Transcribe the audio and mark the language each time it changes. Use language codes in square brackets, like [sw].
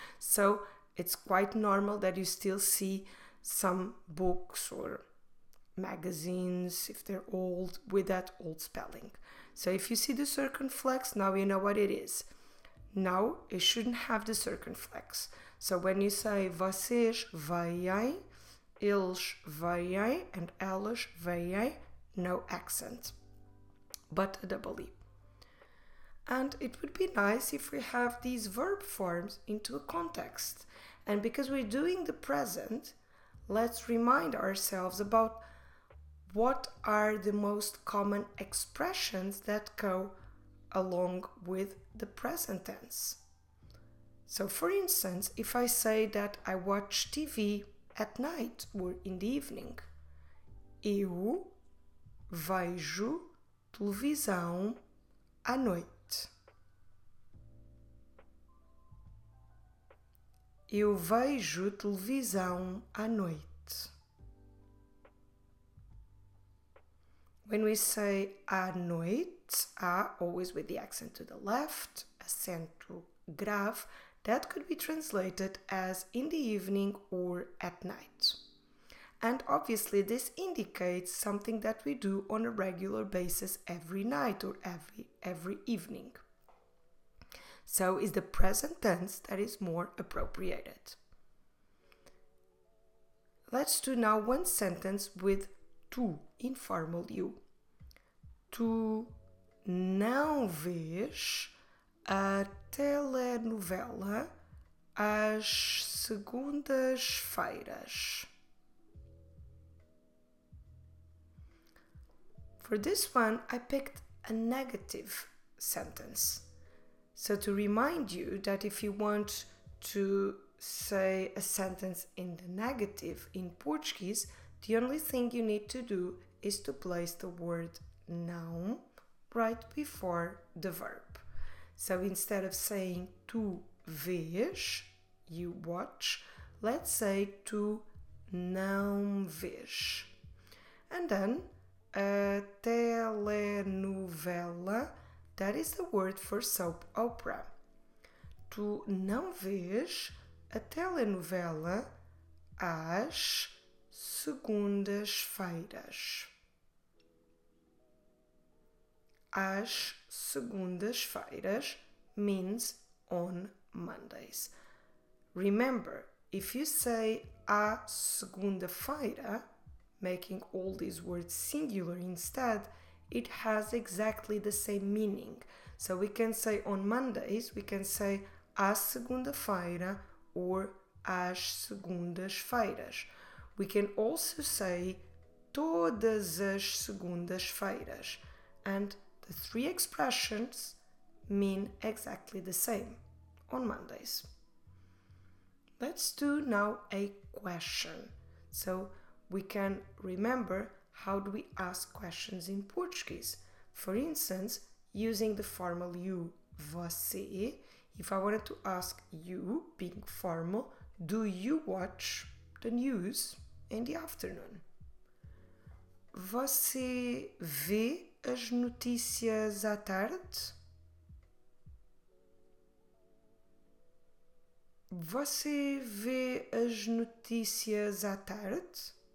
[en] So it's quite normal that you still see some books or magazines, if they're old, with that old spelling. So if you see the circumflex, now you know what it is. Now it shouldn't have the circumflex. So when you say [pt] vocês vêm, eles vêm, [en] and [pt] elas vêm, [en] no accent, but a double E. And it would be nice if we have these verb forms into a context. And because we're doing the present, let's remind ourselves about what are the most common expressions that go along with the present tense. So for instance, if I say that I watch TV at night or in the evening, [pt] eu vejo televisão à noite. Eu vejo televisão à noite. [en] When we say [pt] à noite, [en] à, always with the accent to the left, acento grave, that could be translated as in the evening or at night. And obviously this indicates something that we do on a regular basis every night or every evening. So is the present tense that is more appropriated. Let's do now one sentence with tu, informal you. [pt] Tu não vês a telenovela às segundas-feiras. [en] For this one, I picked a negative sentence. So to remind you that if you want to say a sentence in the negative in Portuguese, the only thing you need to do is to place the word não right before the verb. So instead of saying [pt] tu vês, [en] you watch, let's say [pt] tu não vês. [en] And then a telenovela, that is the word for soap opera. [pt] Tu não vês a telenovela às segundas-feiras. Às segundas-feiras [en] means on Mondays. Remember, if you say [pt] à segunda-feira, [en] making all these words singular instead, it has exactly the same meaning. So we can say on Mondays, we can say [pt] à segunda-feira [en] or [pt] às segundas-feiras. [en] We can also say [pt] todas as segundas-feiras. [en] And the three expressions mean exactly the same on Mondays. Let's do now a question. So we can remember, how do we ask questions in Portuguese? For instance, using the formal you, você, if I wanted to ask you, being formal, do you watch the news in the afternoon? [pt] Você vê as notícias à tarde? Você vê as notícias à tarde?